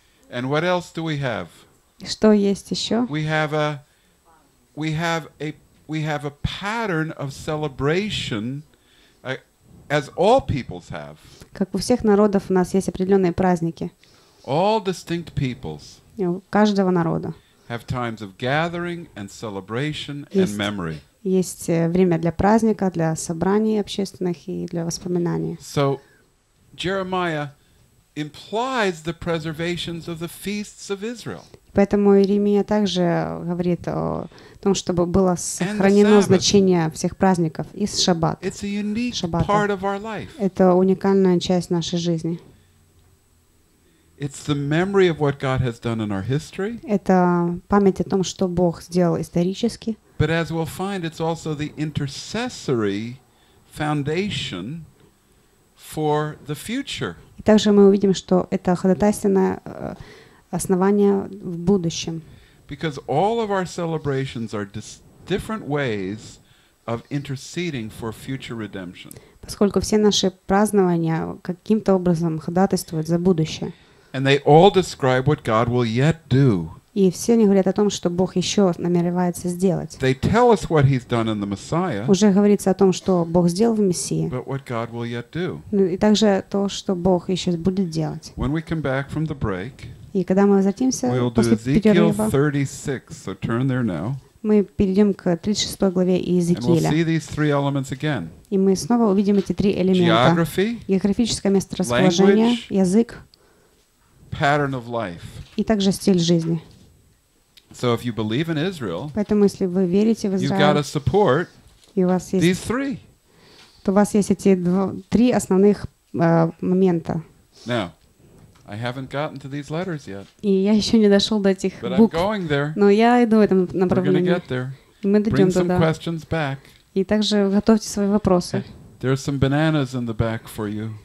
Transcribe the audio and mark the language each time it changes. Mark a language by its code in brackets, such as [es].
[en] And what else do we have? [ru] Что есть еще? [en] We have a pattern of celebration, as all peoples have. [ru] Как у всех народов у нас есть определенные праздники. [en] All distinct peoples. [ru] У каждого народа. [en] Have times of gathering and celebration and memory. [ru] Есть время для праздника, для собраний общественных и для воспоминаний. [en] So Jeremiah implies the preservations of the feasts of Israel. [ru] Поэтому Иеремия также говорит о том, чтобы было сохранено значение всех праздников и Шаббат. [en] It's a unique part of our life. [ru] Это уникальная часть нашей жизни. [en] It's the memory of what God has done in our history. [ru] Это память о том, что Бог сделал исторически. [en] But as we'll find, it's also the intercessory foundation for the future. [ru] И также мы увидим, что это ходатайственное основание в будущем. [en] Because all of our celebrations are different ways of interceding for future redemption. [ru] Поскольку все наши празднования каким-то образом ходатайствуют за будущее. [en] And they all describe what God will yet do. [ru] И все они говорят о том, что Бог еще намеревается сделать. [en] They tell us what he's done in the Messiah, [ru] уже говорится о том, что Бог сделал в Мессии. [en] But what God will yet do. [ru] И также то, что Бог еще будет делать. [en] When we come back from the break, [ru] и когда мы возвратимся [en] we'll [ru] после перерыва, [en] so turn there now, [ru] мы перейдем к 36 главе Иезекииля. [en] And we'll see these three elements again. [ru] И мы снова увидим эти три элемента. [en] Geography, [ru] географическое месторасположение, [en] language, [ru] язык, [en] pattern of life. [ru] И также стиль жизни. [en] So if you believe in Israel, [ru] поэтому если вы верите в Израиль, [en] you've got to support [ru] и у вас есть, [en] these three. [ru] То у вас есть эти три основных момента. [en] Now, I haven't gotten to these letters yet. [ru] И я еще не дошел до этих [en] but [ru] букв. [en] I'm going there. [ru] Но я иду в этом направлении. [en] We're gonna get there. [ru] И мы дойдем [en] Bring [ru] туда. [en] Some questions back. [ru] И также готовьте свои вопросы. [en] There are some bananas in the back for you.